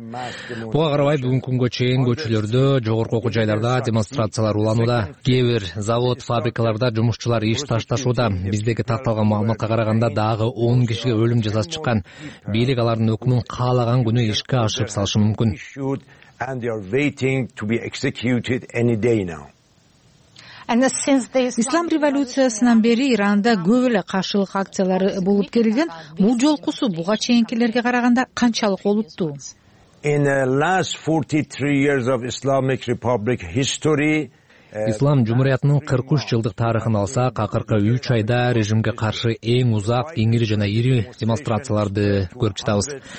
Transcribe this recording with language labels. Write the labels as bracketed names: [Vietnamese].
[Kyrgyz] Буга карабай бүгүнкү күнгө чейин көчөлөрдө, жогорку окуу жайларда демонстрациялар уланууда. Кээ бир завод, фабрикаларда жумушчулар иш ташташууда. Биздеги тарталган маалыматка караганда дагы 10 кишиге өлүм жазасы чыккан. Бийлик алардын өкүмүн каалаган күнү ишке ашырып салышы мүмкүн. [English] And they are waiting to be executed any day now. And since the [Kyrgyz] Ислам революциясынан бери Иранда көп эле каршылык акциялары болуп келген, бул жолкусу буга чейинкилерге караганда канчалык олуттуу? [English] In the last 43 years of Islamic Republic history, [Kyrgyz] Ислам Жумуриятынын 43 жылдык тарыхын алсак, акыркы 3 айда режимге каршы эң узак, кеңири жана ири демонстрацияларды көрүп жатабыз.